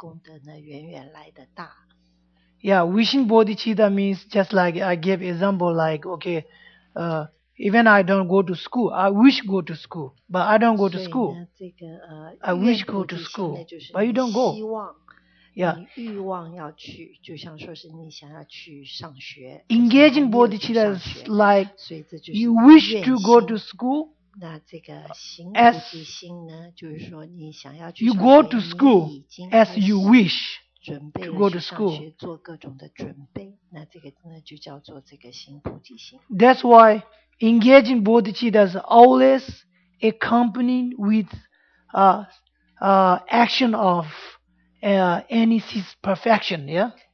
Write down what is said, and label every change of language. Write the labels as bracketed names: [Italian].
[Chinese] 所以呢,我们也讲到了这个行菩提心的功德呢,比愿菩提心的功德呢,远远来的大。 [English] Yeah, wishing bodhicitta means just like I gave example, like, okay, even I don't go to school, I wish go to school, but I don't go to school. [Chinese] 所以呢,这个, [English] I wish go to school, but you don't go. Yeah. Engaging bodhicitta is like you wish to go to school. [Chinese] 那这个行菩提心呢, [English] you go to school as you wish to go to school. [Chinese] 准备了上学做各种的准备, [English] that's why engaging bodhicitta is always accompanied with action of any sees perfection, yeah?